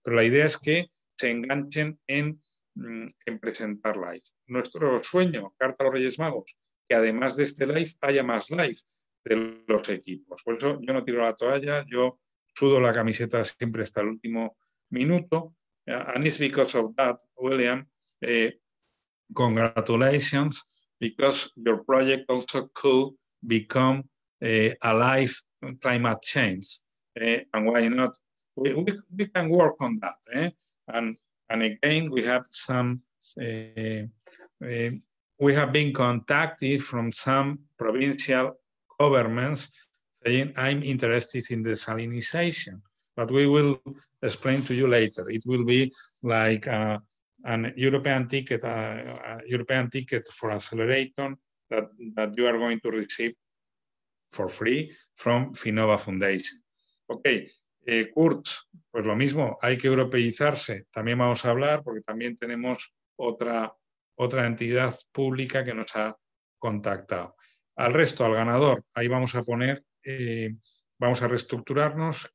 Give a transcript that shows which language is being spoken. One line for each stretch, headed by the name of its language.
Spanish: Pero la idea es que se enganchen en presentar Life. Nuestro sueño, carta a los Reyes Magos, que además de este Life, haya más Life de los equipos. Por eso yo no tiro la toalla, yo sudo la camiseta siempre hasta el último minuto.
English: And it's because of that, William, congratulations, because your project also could become a Life climate change, and why not? We can work on that. And again, we have been contacted from some provincial governments saying I'm interested in desalinization, but we will explain to you later. It will be like a European ticket for accelerator that you are going to receive for free from Finova Foundation.
Spanish: Ok, Kurt, pues lo mismo, hay que europeizarse. También vamos a hablar porque también tenemos otra entidad pública que nos ha contactado. Al resto, al ganador, ahí vamos a poner, vamos a reestructurarnos.